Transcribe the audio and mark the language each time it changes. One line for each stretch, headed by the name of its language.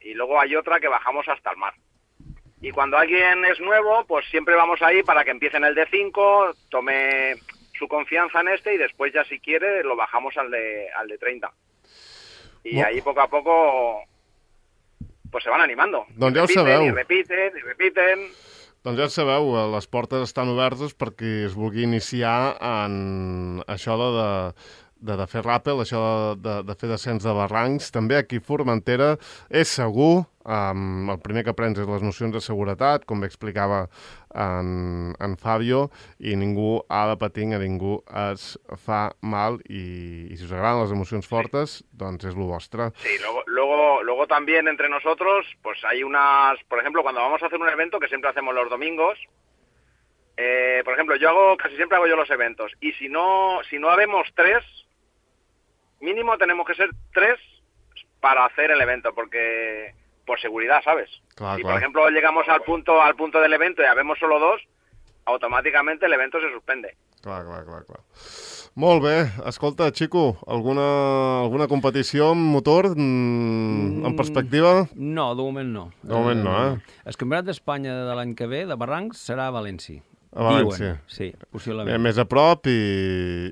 Spanish: Y luego hay otra que bajamos hasta el mar. Y cuando alguien es nuevo, pues siempre vamos ahí para que empiece en el de 5, tome su confianza en este y después ya si quiere lo bajamos al de 30. Y ahí poco a poco pues se van animando. Donde ya lo sabeu. Y repiten.
Catalan: Doncs ja sabeu, les portes estan obertes perquè es vulgui iniciar en això de fer ràpel, això de fer descens de barrancs. També aquí a Formentera és segur, el primer que aprens és les nocions de seguretat, com bé explicava en Fabio, i ningú ha de patir, a ningú es fa mal, i si us agraden les emocions fortes, doncs és lo vostre.
Spanish: Sí, luego también entre nosotros, pues hay unas, por ejemplo, cuando vamos a hacer un evento, que siempre hacemos los domingos, por ejemplo, casi siempre hago yo los eventos, y si no habemos tres, mínimo tenemos que ser tres para hacer el evento, porque por seguridad, ¿sabes? Claro, por ejemplo, llegamos al punto del evento y habemos solo dos, automáticamente el evento se suspende.
Catalan: Claro. Molt bé. Escolta, Chico, alguna competició amb motor en perspectiva? No, de moment no. De moment no, eh? El campionat d'Espanya de l'any que ve, de barrancs, serà a València. A València. Sí, possiblement. Més a prop i...